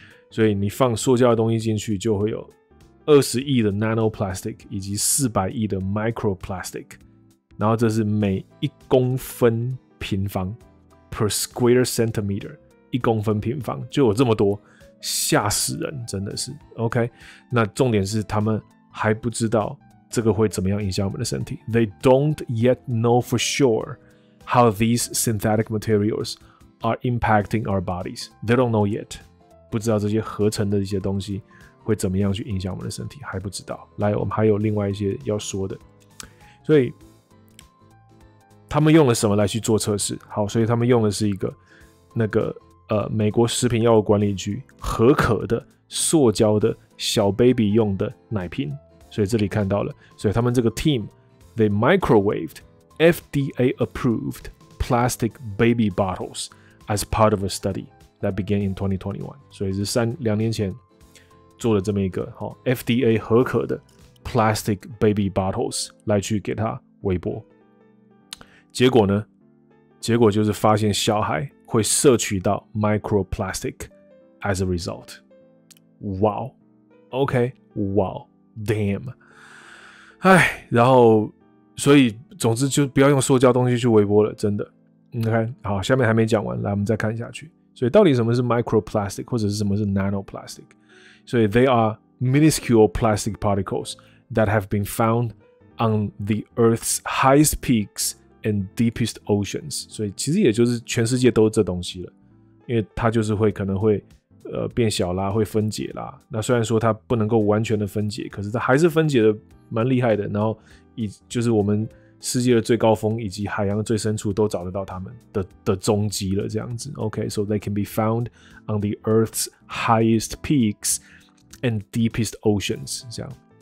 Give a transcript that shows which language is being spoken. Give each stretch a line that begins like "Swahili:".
Chinese: 所以你放塑胶的东西进去，就会有20亿的 nanoplastic 以及400亿的 microplastic， 然后这是每一公分平方。
English: per square centimeter，
Chinese: 一公分平方就有这么多，吓死人，真的是。 OK， 那重点是他们还不知道这个会怎么样影响我们的身体。
English: They don't yet know for sure how these synthetic materials are impacting our bodies. They don't know yet，
Chinese: 不知道这些合成的一些东西会怎么样去影响我们的身体，还不知道。来，我们还有另外一些要说的，所以。他们用了什么来去做测试？好，所以他们用的是一个那个美国食品药物管理局核可的塑胶的小 baby 用的奶瓶。所以这里看到了，所以他们这个
English: team they microwaved FDA approved plastic baby bottles as part of a study that began in 2021。
Chinese: 所以是两年前做了这么一个好 FDA 核可的 plastic baby bottles 来去给他微波。结果呢？结果就是发现小孩会摄取到 microplastic
English: as a result。
Chinese: Wow， OK， Wow， Damn， 哎，然后所以总之就不要用塑胶东西去微波了，真的。 OK， 好，下面还没讲完，来我们再看下去。所以到底什么是 microplastic， 或者是什么是 nanoplastic？
English: 所以 they are minuscule plastic particles that have been found on the Earth's highest peaks。 And deepest oceans，
Chinese: 所以其实也就是全世界都是这东西了，因为它就是会可能会变小啦，会分解啦。那虽然说它不能够完全的分解，可是它还是分解的蛮厉害的。然后就是我们世界的最高峰以及海洋最深处都找得到他们 的踪迹了，这样子。
English: OK, so they can be found on the Earth's highest peaks and deepest oceans, 这样。